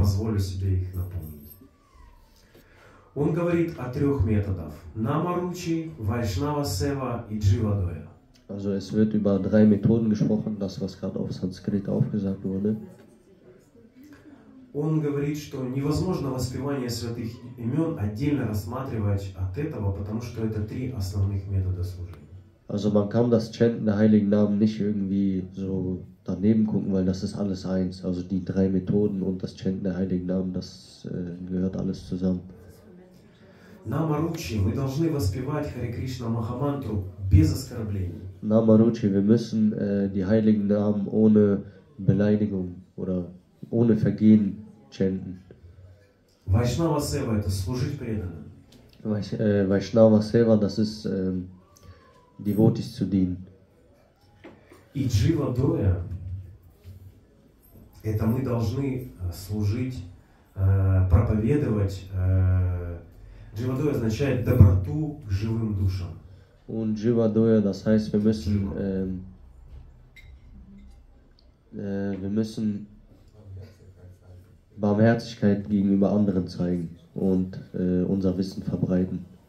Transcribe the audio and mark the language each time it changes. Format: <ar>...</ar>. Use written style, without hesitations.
<ru>Позволю себе их напомнить. Он говорит о трех методах. Намаручи, Вайшнава Сева и Дживадоя.</ru> <de>Also es wird über drei Methoden gesprochen, das was gerade auf Sanskrit aufgesagt wurde.</de> <ru>Он говорит, что невозможно воспевание святых имен отдельно рассматривать от этого, потому что это три основных метода служения.</ru> <de>Also man kann das Chanten der heiligen Namen nicht irgendwie so daneben gucken, weil das ist alles eins. Also die drei Methoden und das Chanten der heiligen Namen, das gehört alles zusammen.</de> <ru>Намаручи, мы должны воспевать Харе Кришна Махамантру без оскорблений.</ru> <de>Намаручи, wir müssen die heiligen Namen ohne Beleidigung oder ohne Vergehen chanten. Vaishnava Seva, das ist служить преданным. Vaishnava Seva, das ist Devotees zu dienen.</de> <ru>И Джива Доя, это мы должны служить, проповедовать. Джива Доя означает доброту к живым душам.</ru> <de>Und Джива Доя, das heißt, wir müssen Barmherzigkeit gegenüber anderen zeigen und unser Wissen verbreiten.</de>